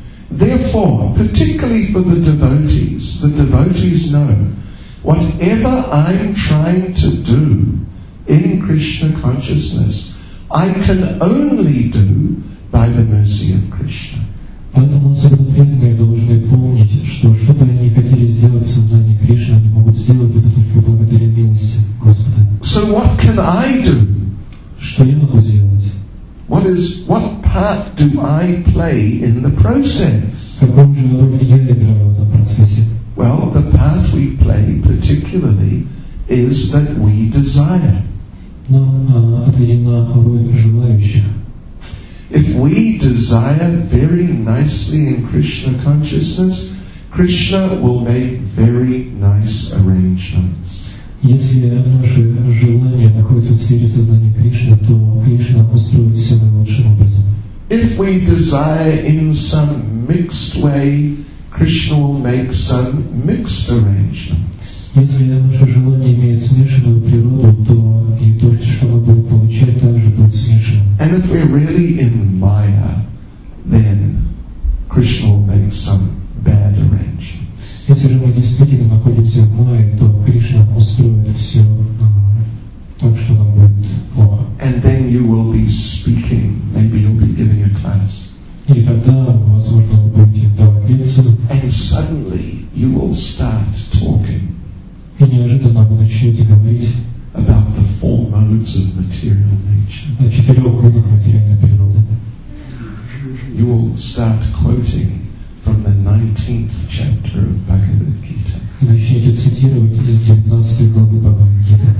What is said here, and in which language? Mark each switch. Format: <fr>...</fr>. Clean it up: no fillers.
<en>Therefore, particularly for the devotees know, whatever I'm trying to do in Krishna consciousness, I can only do by the mercy of Krishna.</en> <ru>Поэтому особенно преданные должны помнить, что бы они хотели сделать в сознании Кришны, они могут сделать это только благодаря милости Господа.</ru> <en>So what can I do?</en> <ru>Что я могу сделать?</ru> <en>What path do I play in the process?</en> <ru>Какую же роль я играю в этом процессе?</ru> <en>Well, the path we play particularly is that we desire.</en> <ru>Отведена роль желающих.</ru> <en>If we desire very nicely in Krishna consciousness, Krishna will make very nice arrangements.</en> <ru>Если наше желание находится в сфере сознания Кришны, то Кришна устроит все наилучшим образом.</ru> <en>If we desire in some mixed way, Krishna will make some mixed arrangements.</en> <ru>Если наше желание имеет смешанную природу, то и то, что мы будем получать, также будет смешанным.</ru> <en>And if we're really in Maya, then Krishna will make some bad arrangements.</en> <ru>Если же мы действительно находимся в Майе, то Кришна устроит все так, что нам будет плохо.</ru> <en>And then you will be speaking, maybe you'll be giving a class.</en> <ru>И тогда, возможно, вы будете давать лекцию.</ru> <en>And suddenly you will start talking.</en> <ru>И неожиданно вы начнете говорить</ru> <en>about the four modes of material nature.</en> <ru>О четырех видах материальной природы.</ru> <en>You will start quoting from the 19th chapter of Bhagavad Gita.</en> <ru>И начнете цитировать из 19 главы Бхагавад Гиты.</ru>